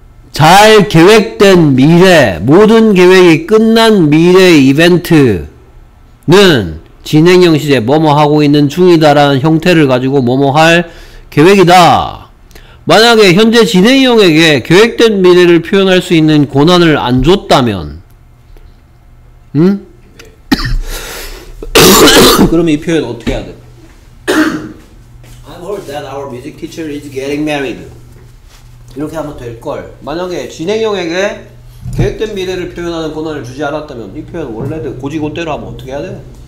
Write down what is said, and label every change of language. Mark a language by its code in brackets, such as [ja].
[ko] 잘 계획된 미래, 모든 계획이 끝난 미래 이벤트는 진행형 시제 뭐뭐 하고 있는 중이다라는 형태를 가지고 뭐뭐 할 계획이다. 만약에 현재 진행형에게 계획된 미래를 표현할 수 있는 권한을 안 줬다면, 응? 네. 그러면 이 표현 어떻게 해야 돼? [en] I've heard that our music teacher is getting married. [ko] 이렇게 하면 될 걸. 만약에 진행형에게 계획된 미래를 표현하는 권한을 주지 않았다면 이 표현 원래 고지고대로 하면 어떻게 해야 돼?